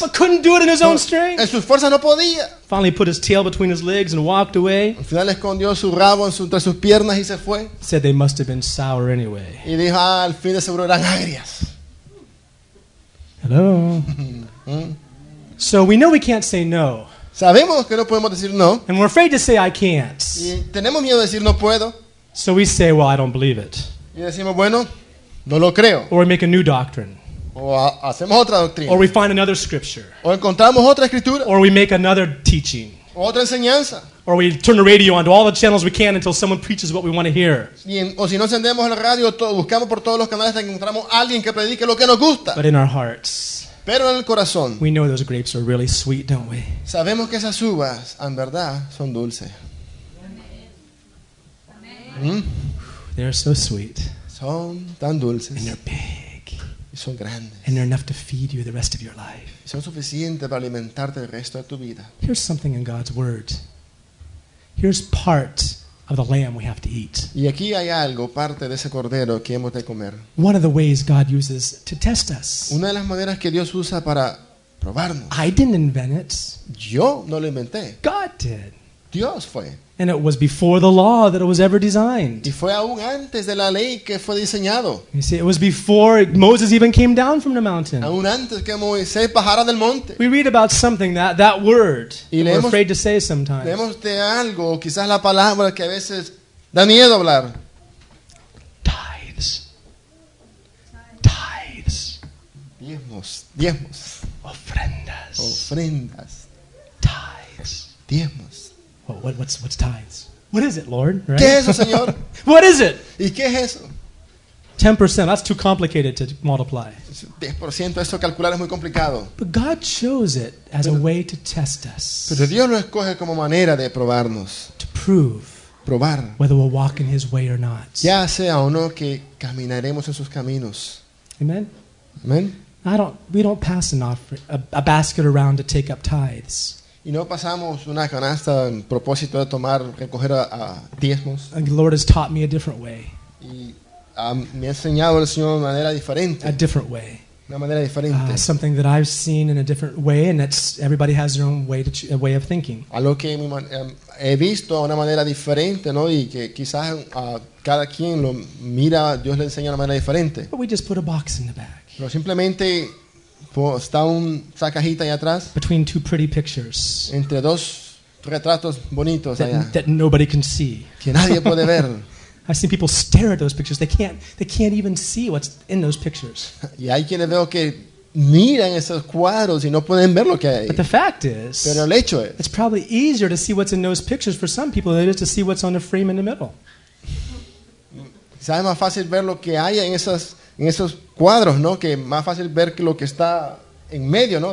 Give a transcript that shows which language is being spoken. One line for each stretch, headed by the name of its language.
English: But couldn't do it in his own strength.
Spanish: En sus fuerzas no podía.
English: Finally, put his tail between his legs and walked away.
Spanish: Al final escondió su rabo entre sus piernas y se fue.
English: Said they must have been sour anyway.
Spanish: Y dijo, ah, al fin de seguro eran agrias.
English: Hello. So we know we can't say no.
Spanish: Sabemos que no podemos decir no.
English: And we're afraid to say I can't.
Spanish: Y tenemos miedo de decir no puedo.
English: So we say, well, I don't believe it.
Spanish: Y decimos, bueno, no lo creo.
English: Or we make a new doctrine.
Spanish: O hacemos otra doctrina.
English: Or we find another scripture.
Spanish: O encontramos otra escritura.
English: Or we make another teaching.
Spanish: Otra enseñanza.
English: Or we turn the radio on to all the channels we can until someone preaches what we want to hear.
Spanish: O si no encendemos la radio, buscamos por todos los canales hasta encontramos alguien que predique lo que nos gusta.
English: But in our hearts.
Spanish: Pero en el corazón.
English: We know those grapes are really sweet, don't we?
Spanish: Sabemos que esas uvas, en verdad, son dulces.
English: They are so sweet.
Spanish: Son tan dulces.
English: And they're big.
Spanish: Y son grandes.
English: And they're enough to feed you the rest of your life.
Spanish: Y son suficientes para alimentarte el resto de tu vida.
English: Here's something in God's word. Here's part of the lamb we have to eat.
Spanish: Y aquí hay algo, parte de ese cordero que hemos de comer.
English: One of the ways God uses to test us.
Spanish: Una de las maneras que Dios usa para probarnos.
English: I didn't invent it.
Spanish: Yo no lo inventé.
English: God did.
Spanish: Dios fue.
English: And it was before the law that it was ever designed.
Spanish: Y fue aún antes de la ley que fue diseñado.
English: You see, it was before Moses even came down from the mountain.
Spanish: Aún antes que Moisés bajara del monte.
English: We read about something, that word,
Spanish: y leemos,
English: that we're afraid to say sometimes.
Spanish: Leemos de algo, quizás la palabra que a veces da miedo hablar.
English: Tithes. Tithes.
Spanish: Diezmos. Diezmos. Ofrendas. Ofrendas.
English: Tithes.
Spanish: Diezmos.
English: What's tithes? What is it, Lord?
Spanish: Right? ¿Qué es eso, señor?
English: What is it?
Spanish: ¿Y qué es eso?
English: 10%. That's too complicated to multiply.
Spanish: 10%, eso calcular es muy complicado.
English: But God chose it as a way to test us.
Spanish: Pero Dios lo escoge como manera de probarnos.
English: To prove.
Spanish: Probar.
English: Whether we'll walk in His way or not.
Spanish: Ya sea o no que caminaremos en sus caminos.
English: Amen.
Spanish: Amen.
English: We don't pass an offer, a basket around to take up tithes.
Spanish: Y no pasamos una canasta en propósito de tomar, recoger a diezmos.
English: And the Lord has taught me a different way.
Spanish: Y me ha enseñado el Señor de una manera diferente.
English: A different way.
Spanish: Una manera diferente.
English: Something that I've seen in a different way, and that's everybody has their own way to a way of thinking.
Spanish: Algo que he visto de una manera diferente, ¿no? Y que quizás cada quien lo mira, Dios le enseña de una manera diferente.
English: But we just put a box in the back.
Spanish: Pero simplemente está una cajita ahí atrás.
English: Between two pretty pictures.
Spanish: Entre dos retratos bonitos
English: that,
Spanish: allá.
English: That nobody can see.
Spanish: Que nadie puede ver.
English: I've seen people stare at those pictures. They can't even see what's in those pictures.
Spanish: Y hay quienes veo que miran esos cuadros y no pueden ver lo que hay.
English: But the fact is,
Spanish: pero el hecho es,
English: it's probably easier to see what's in those pictures for some people than it is to see what's on the frame in the middle.
Spanish: Quizás es más fácil ver lo que hay en esas en esos cuadros, ¿no? Que más fácil ver que lo que está en medio, ¿no?